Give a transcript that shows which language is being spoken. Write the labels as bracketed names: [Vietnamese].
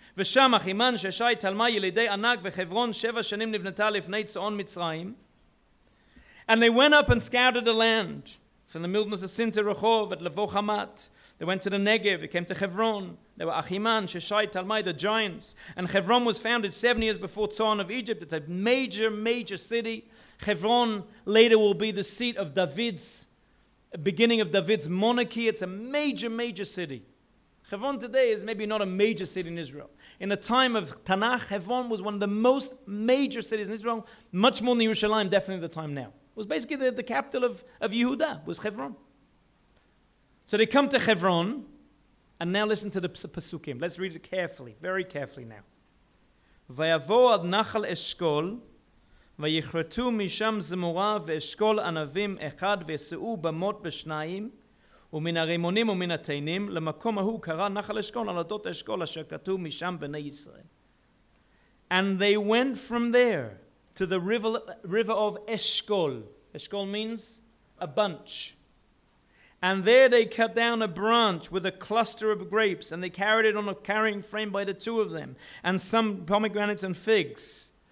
[Hebrew] ושם אחימן ששי תלמה ילידי ענק וחברון שבע שנים נבנתה לפני צעון מצרים. [English] And they went up and scouted the land from the wilderness of Sinter Rehov at Levo Hamat. They went to the Negev, they came to Hebron. They were Achiman, Sheshai, Talmai, the giants. And Hebron was founded 7 years before Tzon of Egypt. It's a major, major city. Hebron later will be the seat of David's, beginning of David's monarchy. It's a major, major city. Hebron today is maybe not a major city in Israel. In the time of Tanakh, Hebron was one of the most major cities in Israel, much more than Yerushalayim, definitely the time now. It was basically the capital of Yehuda, was Hebron. So they come to Hebron, and now listen to the Pasukim. Let's read it carefully, very carefully now. [Hebrew] Vayavo ad Nachal Eshkol, vayichretu misham zemura ve'eshkol anavim echad ve'se'u bamot b'shnayim, ומן הרימונים ומן התנים, למקום ההוא קרא נחל אשכול, על עדות אשכול אשר כתוב משם בני ישראל. [English] And they went from there to the river of Eshkol. Eshkol means a bunch. And there they cut down a branch with a cluster of grapes, and they carried it on a carrying frame by the two of them, and some pomegranates and figs.